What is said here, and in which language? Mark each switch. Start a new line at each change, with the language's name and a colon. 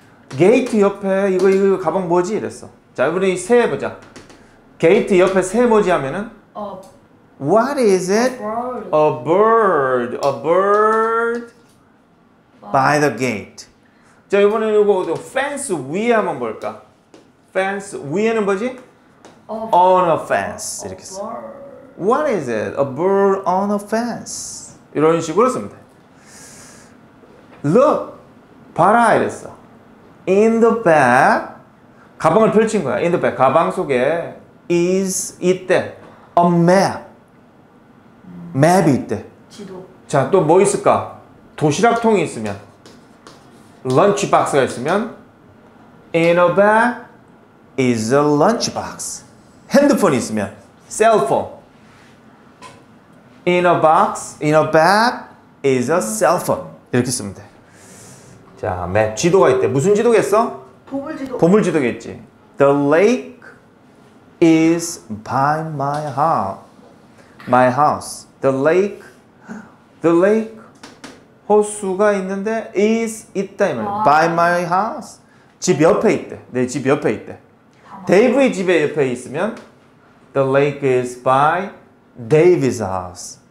Korean: Gate 옆에 이거 가방 뭐지 이랬어. 자 이번에 새 보자. Gate 옆에 새 뭐지 하면은?
English: What is it? A bird. A bird. A bird. By the gate.
Korean: 자 이번에 이거 fence 위에 한번 볼까? fence 위에는 뭐지?
English: on a fence
Korean: 이렇게 써.
English: What is it? A bird on a fence.
Korean: 이런 식으로 쓰면 돼. Look, 봐라 이랬어.
English: In the bag,
Korean: 가방을 펼친 거야.
English: In the bag,
Korean: 가방 속에 is 있대.
English: A map. map이 있대.
Korean: 지도. 자 또 뭐 있을까? 도시락통이 있으면. 런치 박스가 있으면
English: in a bag is a lunch box.
Korean: 핸드폰이 있으면 셀폰.
English: in a box, in a bag is a cell phone.
Korean: 이렇게 쓰면 돼. 자, 맵 지도가 있대. 무슨 지도겠어? 보물 지도겠지.
English: The lake is by my house. My house. The lake
Korean: 호수가 있는데 is 있다 이 말이야.
English: By my house.
Korean: 집 옆에 있대. 내 집 옆에 있대. 데이브의 집에 옆에 있으면
English: The lake is by Dave's house.